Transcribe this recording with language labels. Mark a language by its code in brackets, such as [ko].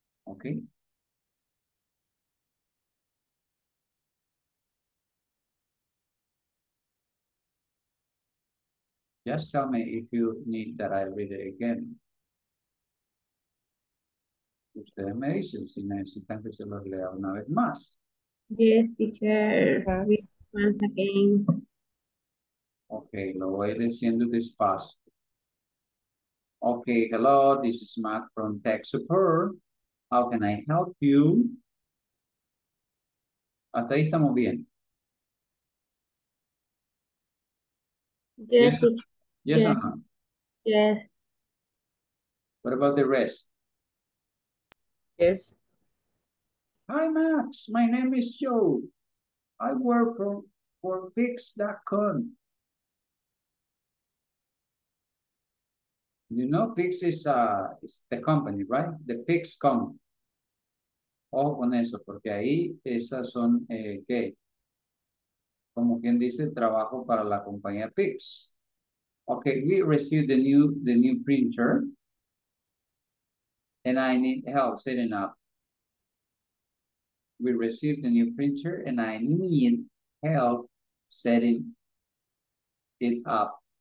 [en] Okay. Just tell me if you need that I read it again. [es] Ustedes me dicen si necesitan que se los lea una vez más. [en] Yes, teacher. Once again. [es] Okay, lo voy diciendo despacio. [en] Okay, hello, this is Matt from Tech Support. How can I help you? [es] Hasta ahí estamos bien. [en] Yes, teacher. Yes, yes. Uh-huh. Yes. What about the rest? Yes. Hi, Max. My name is Joe. I work for Pix.com. You know, Pix is the company, right? The Pix.com. [es] Ojo con eso, porque ahí esas son que, como quien dice, trabajo para la compañía Pix. [en] Okay, we received the new printer, and I need help setting up. We received the new printer, and I need help setting it up.